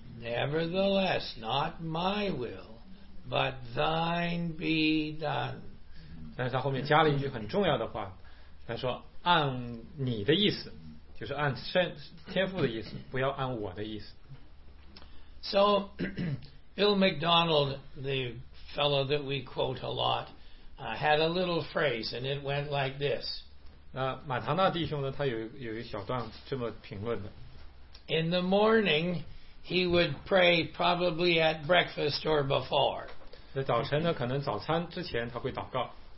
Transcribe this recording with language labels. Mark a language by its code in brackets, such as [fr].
[en] Nevertheless, not my will, but thine be done. [zh] 但是他后面加了一句很重要的话，他说，按你的意思。就是按天父的意思，不要按我的意思。 [en] So, Bill McDonald, the fellow that we quote a lot, had a little phrase, and it went like this. [zh] 马唐纳弟兄呢，他有一小段这么评论的。 [en] In the morning, he would pray probably at breakfast or before. [zh] 在早晨呢，可能早餐之前他会祷告。